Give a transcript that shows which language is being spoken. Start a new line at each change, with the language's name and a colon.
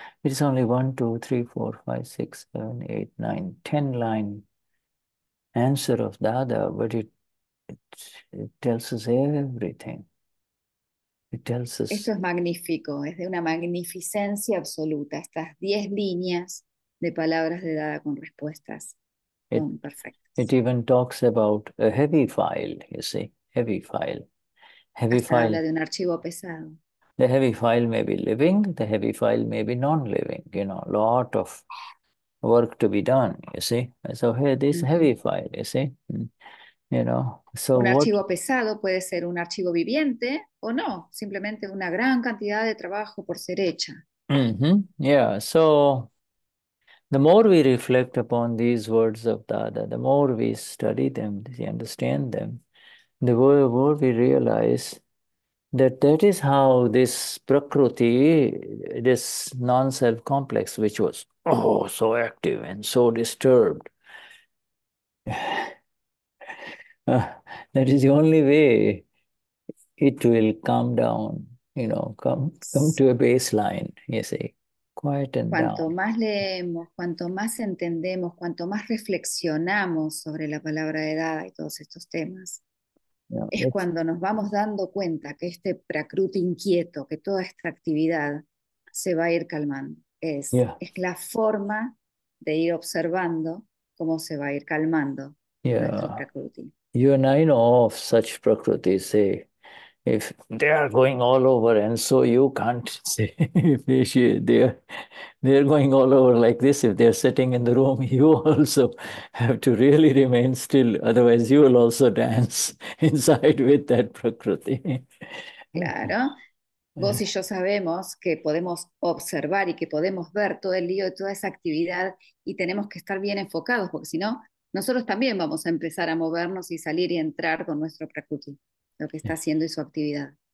English: It's only 1, 2, 3, 4, 5, 6, 7, 8, 9, 10 line answer of Dada, but it tells us everything. It tells us.
Spanish: Esto es magnífico. Es de una magnificencia absoluta. Estas 10 líneas de palabras de Dada con respuestas. Perfectas.
English: It even talks about a heavy file. You see, heavy file. Heavy
Spanish: hasta
English: file.
Spanish: Habla de un archivo pesado.
English: The heavy file may be living, the heavy file may be non-living, you know, lot of work to be done, you see. So here, this mm-hmm. heavy file, you see, you know. So
Spanish: un archivo pesado puede ser un archivo viviente o no, simplemente una gran cantidad de trabajo por ser hecha. Mm-hmm.
English: Yeah, so the more we reflect upon these words of Dada, the more we study them, we understand them, the more we realize that is how this prakriti, this non-self complex, which was so active and so disturbed, that is the only way it will calm down, you know, come to a baseline, you see, quieten
Spanish: cuanto Cuanto más leemos, cuanto más entendemos, cuanto más reflexionamos sobre la palabra de Dada y todos estos temas, es cuando nos vamos dando cuenta que este prakruti inquieto, que toda esta actividad se va a ir calmando. Es la forma de ir observando cómo se va a ir calmando nuestro prakruti.
English: You and I know of such prakruti, say, if they are going all over and so you can't say, if they're going all over like this, if they're sitting in the room, you also have to really remain still, otherwise you will also dance inside with that prakriti.
Spanish: Claro. Vos y yo sabemos que podemos observar y que podemos ver todo el lío de toda esa actividad y tenemos que estar bien enfocados porque si no, nosotros también vamos a empezar a movernos y salir y entrar con nuestro prakruti. Lo que está haciendo y su actividad.